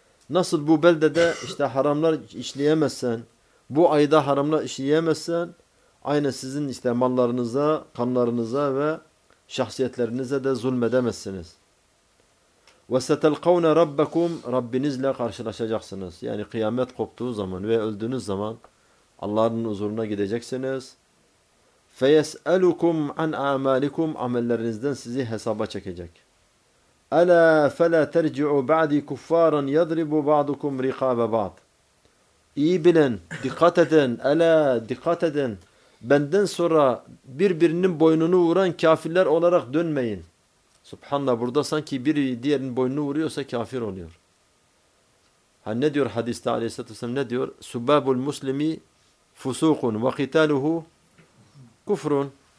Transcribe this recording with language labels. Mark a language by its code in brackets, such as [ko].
[tr] Nasıl bu beldede işte haramlar işleyemezsen, bu ayda haramlar işleyemezsen, aynı sizin işte mallarınıza, kanlarınıza ve şahsiyetlerinize de zulmedemezsiniz. [ar] وَسَتَلْقَوْنَ رَبَّكُمْ [tr] Rabbinizle karşılaşacaksınız. Yani kıyamet koptuğu zaman ve öldüğünüz zaman Allah'ın huzuruna gideceksiniz. [ar] فَيَسْأَلُكُمْ عَنْ اَعْمَالِكُمْ [tr] Amellerinizden sizi hesaba çekecek. [ar] أَلَا فَلَا تَرْجِعُوا بَعْدِي كُفَّارًا يَضْرِبُوا بَعْضُكُمْ رِقَابَ بَعْضٍ [tr] İyi bilin, dikkat edin, [ar] أَلَا [tr] dikkat edin. Benden sonra birbirinin boynunu vuran kafirler olarak dönmeyin. Subhanallah, burada sanki biri diğerinin boynunu vuruyorsa kafir oluyor. Ha ne diyor hadiste aleyhissalatü vesselam, ne diyor? [ar] Subabul muslimi fusukun ve kitaluhu kufrun.